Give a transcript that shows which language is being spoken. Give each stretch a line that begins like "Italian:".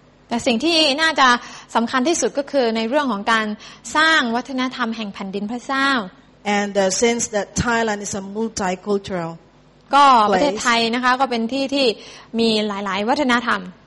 Thai: แต่สิ่งที่น่าจะสำคัญที่สุดก็คือในเรื่องของการสร้างวัฒนธรรมแห่งแผ่นดินพระเจ้า
English: And since that Thailand is a multicultural
Thai: ก็ประเทศไทยนะคะก็เป็นที่ที่มีหลายๆวัฒนธรรม